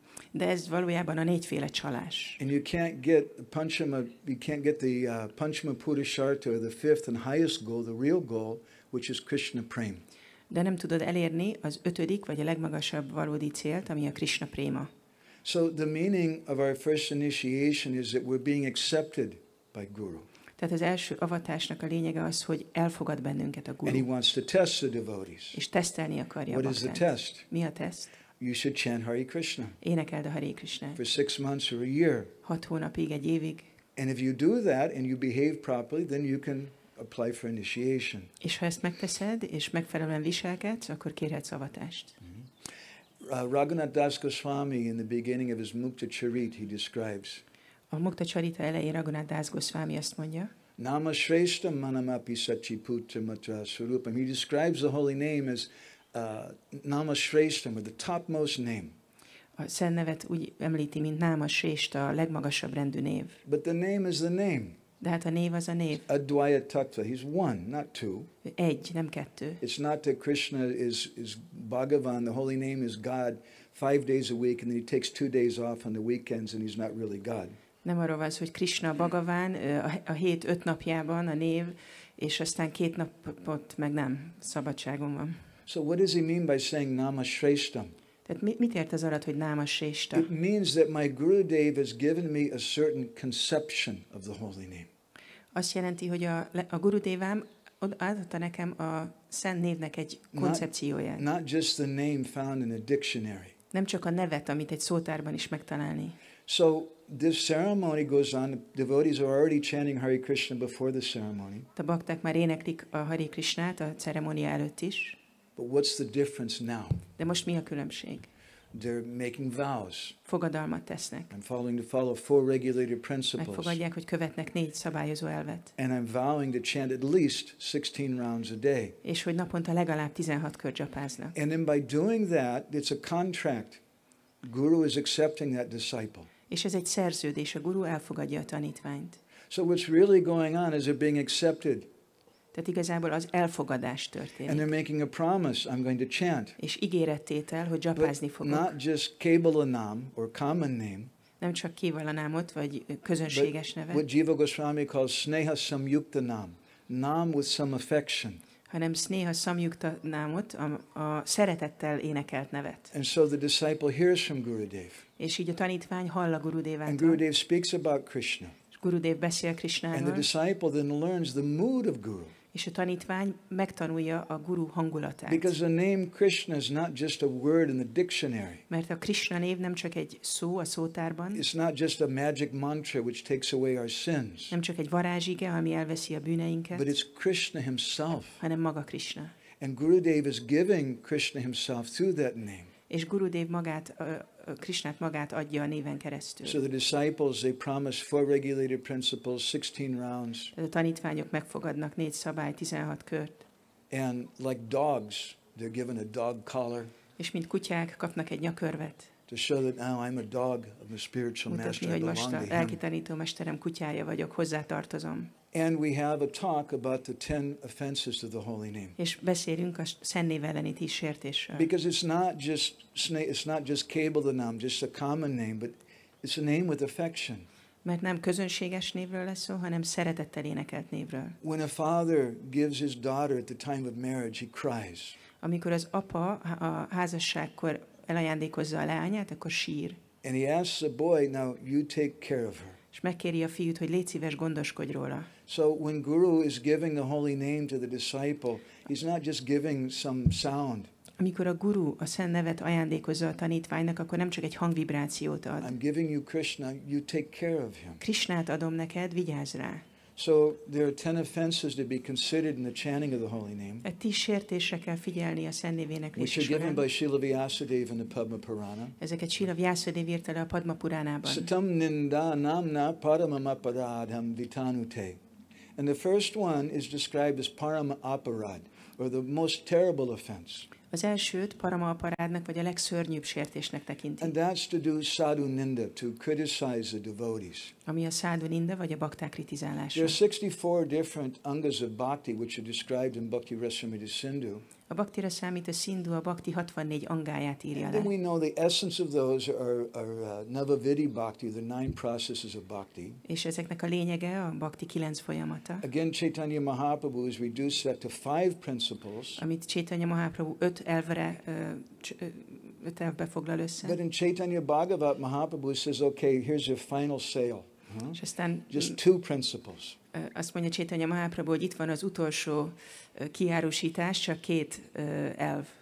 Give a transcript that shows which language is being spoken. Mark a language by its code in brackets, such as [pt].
[hu] De ez valójában a négyféle csalás. [en] And you can't get the panchama, you can't get the panchama purusharta, the fifth and highest goal, the real goal, which is Krishna prema. [hu] De nem tudod elérni az ötödik, vagy a legmagasabb valódi célt, ami a Krishna prema. [en] So the meaning of our first initiation is that we're being accepted by Guru. [hu] Tehát az első avatásnak a lényege az, hogy elfogad bennünket a Guru. [en] And he wants to test the devotees. [hu] És tesztelni akarja [en] What a is the test? [hu] Mi a teszt? [en] You should chant Hare Krishna. [hu] Énekeld a Hare Krishnát. [en] For 6 months or a year. [hu] 6 hónapig, egy évig. [en] And if you do that and you behave properly, then you can apply for initiation. [hu] És ha ezt megteszed és megfelelően viselkedsz, akkor kérhetsz avatást. [en] Raghunath Das Goswami, in the beginning of his Mukta Charit, he describes. [hu] A Mukta Charita elején Raghunath Das Goswami azt mondja. [sa] Nama Shrestha Manamapi Sachiputta Matra Surupam. [en] He describes the holy name as Nama Shrestha, with the topmost name. [hu] A szent nevet úgy említi, mint Nama Shrestha, a legmagasabb rendű név. [en] But the name is the name. [hu] De hát a név az a név. [en] Advaita Tattva, he's one, not two. [hu] Egy, nem kettő. [en] It's not that Krishna is Bhagavan, the holy name is God, 5 days a week, and then he takes 2 days off on the weekends, and he's not really God. [hu] Nem arról van, hogy Krishna Bhagavan a hét öt napjában a név, és aztán két napot meg nem, szabadságon van. [en] So what does he mean by saying Nama Shrestham? [hu] Tehát mit ért az alatt, hogy Nama Shrestha? [en] It means that my Gurudev has given me a certain conception of the holy name. [hu] Azt jelenti, hogy a Gurudevám adta nekem a szent névnek egy koncepcióját. [en] Not just the name found in a dictionary. [hu] Nem csak a nevet, amit egy szótárban is megtalálni. [en] So this ceremony goes on. The devotees are already chanting Hare Krishna before the ceremony. [hu] A bakták már éneklik a Hare Krishnát a ceremónia előtt is. [en] But what's the difference now? [hu] De most mi a különbség? [en] They're making vows. [hu] Fogadalmat tesznek. [en] I'm following to follow four regulated principles. [hu] Megfogadják, hogy követnek négy szabályozó elvet. [en] And I'm vowing to chant at least 16 rounds a day. [hu] És hogy naponta legalább 16 kör japáznak. [en] And then by doing that, it's a contract. Guru is accepting that disciple. [hu] És ez egy szerződés, a guru elfogadja a tanítványt. [en] So what's really going on is they're being accepted. [hu] Tehát igazából az elfogadás történik. [en] And they're making a promise, I'm going to chant. [hu] És ígérettétel, hogy japázni fogok. [en] But not just kevalanam or common name. [hu] Nem csak kevalanamot vagy közönséges nevet. [en] What Jiva Goswami calls sneha samyukta nam, nam with some affection. [hu] Hanem sneha samyukta namot, a szeretettel énekelt nevet. [en] And so the disciple hears from Gurudev. [hu] És így a tanítvány hall a Gurudevától. [en] And Gurudev speaks about Krishna. [hu] Gurudev beszél Krishnáról. [en] And the disciple then learns the mood of Guru. [hu] És a tanítvány megtanulja a guru hangulatát. [en] Because the name Krishna is not just a word in the dictionary. [hu] Mert a Krishna név nem csak egy szó a szótárban. [en] It's not just a magic mantra which takes away our sins. [hu] Nem csak egy varázsige, ami elveszi a bűneinket. [en] But it's Krishna himself. [hu] Hanem maga Krishna. [en] And Gurudev is giving Krishna himself through that name. [hu] És Gurudev magát Krishnát magát adja a néven keresztül. [en] So the disciples, they promise four regulated principles, 16 rounds. [hu] A tanítványok megfogadnak négy szabály, 16 kört. [en] And like dogs, they're given a dog collar. [hu] És mint kutyák kapnak egy nyakörvet. [en] To show that now I'm a dog of the spiritual [hu] mutatni, [en] master. [hu] Hogy most a lelki tanító mesterem kutyája vagyok, hozzátartozom. [en] And we have a talk about the 10 offences of the holy name. [hu] És beszélünk a szent név elleni tíz sértésről. [en] Because it's not just cable the name, just a common name, but it's a name with affection. [hu] Mert nem közönséges névről lesz szó, hanem szeretettel énekelt névről. [en] When a father gives his daughter at the time of marriage, he cries. [hu] Amikor az apa a házasságkor elajándékozza a leányát, akkor sír. [en] And he asks the boy, now you take care of her. [hu] És megkéri a fiút, hogy légy szíves, gondoskodj róla. [en] So when Guru is giving the holy name to the disciple, he's not just giving some sound. [hu] Amikor a guru a szent nevet ajándékozza a tanítványnak, akkor nem csak egy hangvibrációt ad. [en] I'm giving you Krishna, you take care of him. [hu] Krishnát adom neked, vigyázz rá. [en] So there are 10 offenses to be considered in the chanting of the holy name. [hu] A 10 sértésre kell figyelni a szent névének lésésére. [en] Which are given by Śrīla Vyāsadeva in the Padma Purāṇa. [hu] Ezeket Śrīla Vyāsadeva írta le a Padma Purāṇában. [sa] Satam ninda namna paramam aparādham vitanute. [en] And the first one is described as param aparād, or the most terrible offense. [hu] Az elsőt parama aparádnak, vagy a legszörnyűbb sértésnek tekintik. [en] And that's to do sadhu ninda, to criticize the devotees. [hu] Ami a sadhu ninda, vagy a bhakták kritizálása. [en] There are 64 different angas of bhakti, which are described in Bhakti Rasamrita Sindhu. [hu] A bhakti rasamrita Sindhu a bhakti 64 angáját írja le. [en] And we know the essence of those are navaviddhi bhakti, the 9 processes of bhakti. [hu] És ezeknek a lényege a bhakti 9 folyamata. [en] Again, Chaitanya Mahaprabhu has reduced that to 5 principles. [hu] Amit Chaitanya Mahaprabhu 5 elvre öt elvbe foglal össze. [en] But in Chaitanya Bhagavat, Mahaprabhu says, okay, here's your final sale. Just 2 principles. [hu] Azt mondja Chaitanya Mahaprabhu, hogy itt van az utolsó kiárusítás, csak 2 elv.